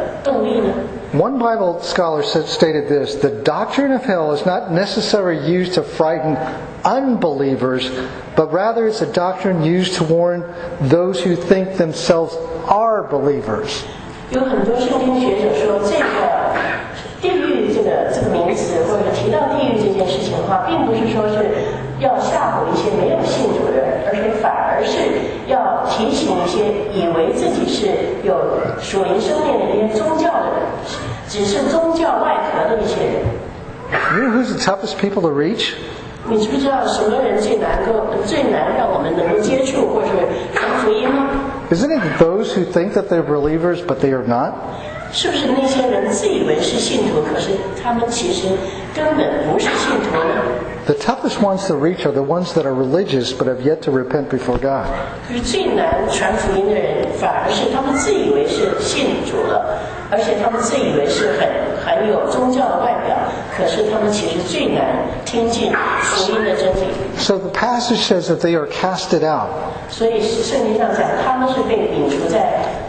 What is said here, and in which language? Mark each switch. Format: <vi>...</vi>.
<en>One Bible scholar stated this, the doctrine of hell is not necessarily used to frighten unbelievers, but rather it's a doctrine used to warn those who think themselves are believers.</en> <zh>有很多圣经学者说这个地狱这个名词或者提到地狱这件事情的话并不是说是要吓唬一些没有信主的人而是反而是要提醒一些以为自己是有属灵生命的一些宗教的人只是宗教外壳的一些人</zh> <en>You know who's the toughest people to reach?</en> <zh>你知不知道什么人最难让我们能够接触或者传福音吗</zh> <en>Isn't it those who think that they're believers but they are not?</en> <zh>是不是那些人自以为是信徒，可是他们其实根本不是信徒呢</zh> <en>？The toughest ones to reach are the ones that are religious but have yet to repent before God.</en> <zh>可是最难传福音的人，反而是他们自以为是信主了，而且他们自以为是很有宗教的外表，可是他们其实最难听进福音的真理。</zh> <en>So the passage says that they are casted out.</en> <zh>所以圣经上讲，他们是被摒除在。</zh>